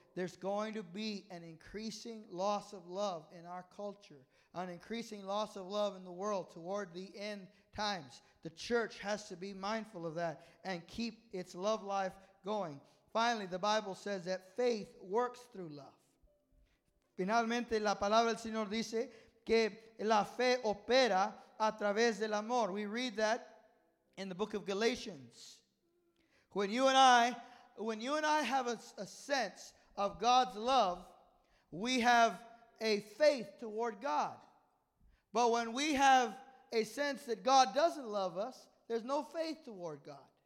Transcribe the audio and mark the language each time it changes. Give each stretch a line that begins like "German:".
English: There's going to be an increasing loss of love in our culture, an increasing loss of love in the world toward the end times. The church has to be mindful of that and keep its love life going. Finally, the Bible says that faith works through love.
Spanish: Finalmente, la palabra del Señor dice que la fe opera a través del amor.
English: We read that in the book of Galatians. When you and I have a sense of God's love, we have a faith toward God. But when we have a sense that God doesn't love us, there's no faith toward God.